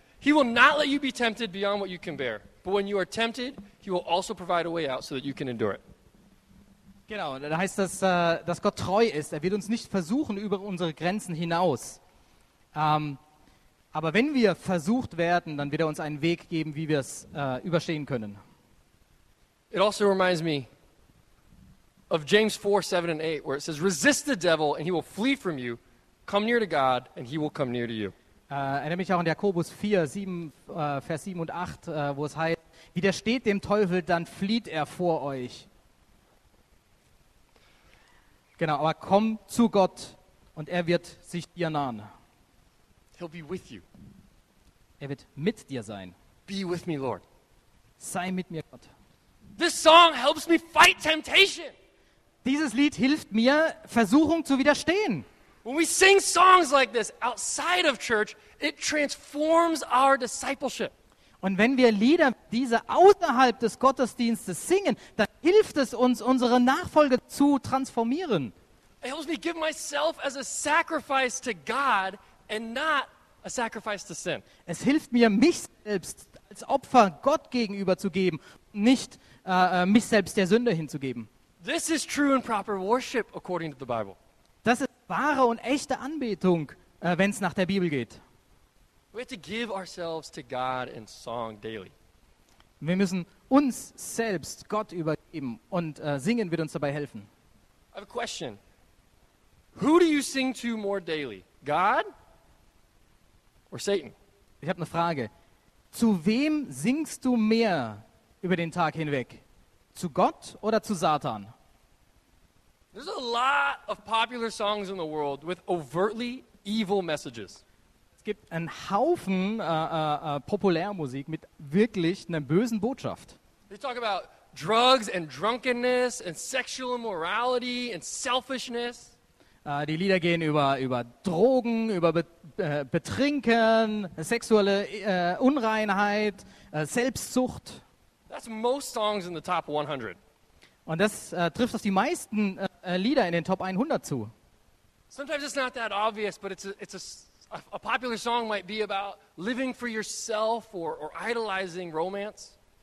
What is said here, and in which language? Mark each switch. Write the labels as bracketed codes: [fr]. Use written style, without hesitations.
[en] He will not let you be tempted beyond what you can bear. But when you are tempted, he will also provide a way out so that you can endure it. [de] Genau, dann heißt das, dass Gott treu ist. Er wird uns nicht versuchen über unsere Grenzen hinaus. Aber wenn wir versucht werden, dann wird er uns einen Weg geben, wie wir es überstehen können. [en] It also reminds me of James 4, 7 and 8, where it says, resist the devil and he will flee from you. Come near to God and he will come near to you. [de] Erinnere mich auch an Jakobus 4, 7, Vers 7 und 8, wo es heißt, widersteht dem Teufel, dann flieht er vor euch. Genau, aber komm zu Gott und er wird sich dir nahen. [en] He'll be with you. [de] Er wird mit dir sein. [en] Be with me, Lord. [de] Sei mit mir, Gott. [en] This song helps me fight temptation. [de] Dieses Lied hilft mir, Versuchung zu widerstehen. [en] When we sing songs like this outside of church, it transforms our discipleship. [de] Und wenn wir Lieder diese außerhalb des Gottesdienstes singen, dann hilft es uns, unsere Nachfolge zu transformieren. [en] It helps me give myself as a sacrifice to God and not a sacrifice to sin. [de] Es hilft mir, mich selbst als Opfer Gott gegenüber zu geben, nicht mich selbst der Sünde hinzugeben. [en] This is true and proper worship according to the Bible. [de] Das ist wahre und echte Anbetung, wenn es nach der Bibel geht. [en] We have to give ourselves to God in song daily. [de] Wir müssen uns selbst Gott übergeben und singen wird uns dabei helfen. [en] I have a question. Who do you sing to more daily? God or Satan? [de] Ich habe eine Frage. Zu wem singst du mehr über den Tag hinweg? Zu Gott oder zu Satan? [en] There's a lot of popular songs in the world with overtly evil messages. [de] Es gibt einen Haufen Populärmusik mit wirklich einer bösen Botschaft. [en] They talk about drugs and drunkenness and sexual immorality and selfishness. [de] Die Lieder gehen über Drogen, über Betrinken, sexuelle Unreinheit, Selbstsucht. [en] That's most songs in the top 100. [de] Und das trifft auf die meisten Lieder in den Top 100 zu. [en] Sometimes it's not that obvious, but it's a popular song might be about living for yourself or idolizing romance.